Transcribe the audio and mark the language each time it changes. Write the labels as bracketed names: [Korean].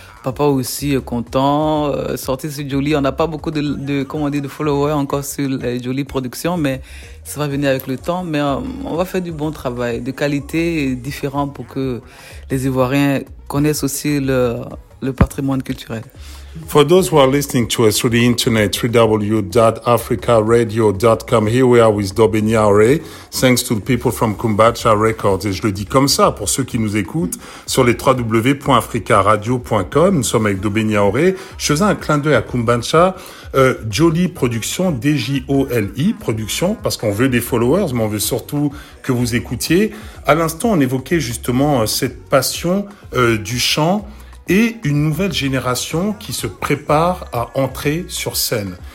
[French] Papa aussi est content, sorti sur Djoli. On n'a pas beaucoup de followers encore sur Djoli Productions, mais ça va venir avec le temps. Mais on va faire du bon travail, de qualité et différent pour que les Ivoiriens connaissent aussi le patrimoine culturel. [English] For those who are listening to us through the internet, www.africaradio.com, here we are with Dobé Niaoré, thanks to the people from Kumbacha Records. [French] Et je le dis comme ça, pour ceux qui nous écoutent, sur les www.africaradio.com, nous sommes avec Dobé Niaoré. Je faisais un clin d'œil à Kumbacha, Djoli Production, D-J-O-L-I, Production, parce qu'on veut des followers, mais on veut surtout que vous écoutiez. À l'instant, on évoquait justement cette passion du chant, et une nouvelle génération qui se prépare à entrer sur scène.